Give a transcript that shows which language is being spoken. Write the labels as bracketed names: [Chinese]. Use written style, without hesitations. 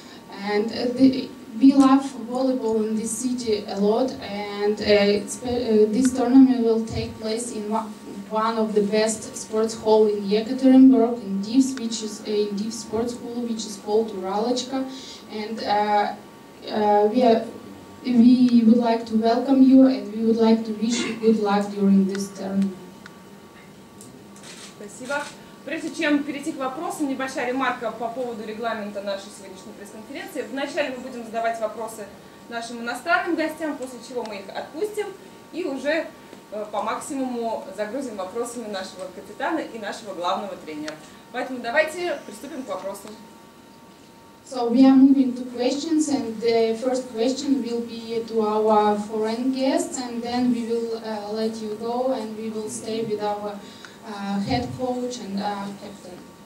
[English] And we love volleyball in this city a lot, and this tournament will take place in one of the best sports hall in Yekaterinburg, in DIVS, which is a DIVS sports hall, which is called Uralochka. And we would like to welcome you, and we would like to wish you good luck during this tournament. [Russian] Спасибо. Прежде чем перейти к вопросам, небольшая ремарка по поводу регламента нашей сегодняшней пресс-конференции. Вначале мы будем задавать вопросы нашим иностранным гостям, после чего мы их отпустим и уже по максимуму загрузим вопросами нашего капитана и нашего главного тренера. Поэтому давайте приступим к вопросам. [English] So we are moving to questions, and the first question will be to our foreign guests, and then we will let you go, and we will stay with our head coach and captain.